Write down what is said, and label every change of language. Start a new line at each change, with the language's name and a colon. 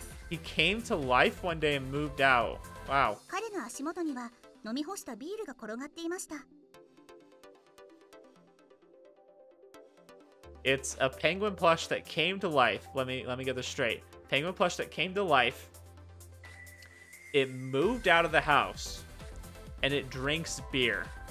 English: He came to life one day and moved out. Wow.
Japanese: 彼の足元には飲み干したビールが転がっていました。
English: It's a penguin plush that came to life. Let me get this straight. Penguin plush that came to life. It moved out of the house, and it drinks beer.